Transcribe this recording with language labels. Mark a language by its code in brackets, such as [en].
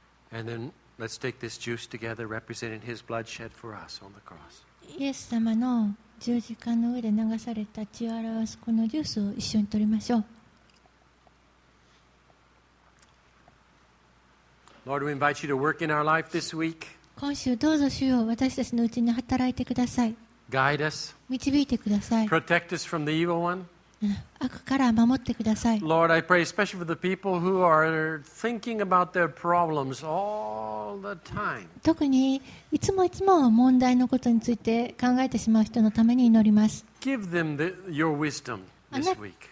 [en] And then let's take this juice together, representing his blood shed for us on the cross. [ja] イエス様の十字架の上で流された血を表すこのジュースを一緒に取りましょう。 [en] Lord, we invite you to work in our life this week. [ja] 今週どうぞ主よ、私たちのうちに働いてください。 [en] Guide us. [ja] 導いてください。 [en] Protect us from the evil one. [ja] 悪から守ってください。 [en] Lord, I pray especially for the people who are thinking about their problems all the time. [ja] 特にいつもいつも問題のことについて考えてしまう人のために祈ります。 [en] Give them your wisdom this week.